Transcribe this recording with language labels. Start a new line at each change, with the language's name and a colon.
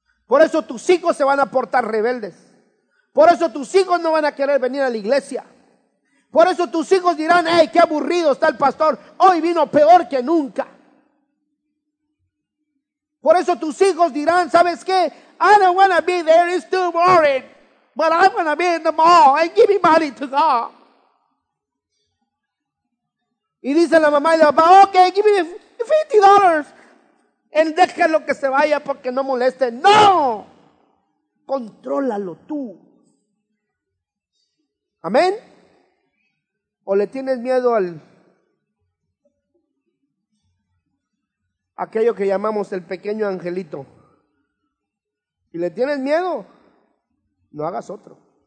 Spanish: Por eso tus hijos se van a portar rebeldes. Por eso tus hijos no van a querer venir a la iglesia. Por eso tus hijos dirán, ¡ey, qué aburrido está el pastor! Hoy vino peor que nunca. Por eso tus hijos dirán, ¿sabes qué?
English: I don't want to be there, it's too boring. But I want to be in the mall and give me money to God.
Spanish: Y dice la mamá y la papá, ok,
English: give me $50.
Spanish: Y déjalo que se vaya porque no moleste. ¡No! Contrólalo tú. ¿Amén? ¿O le tienes miedo al aquello que llamamos el pequeño angelito? ¿Y le tienes miedo? No hagas otro.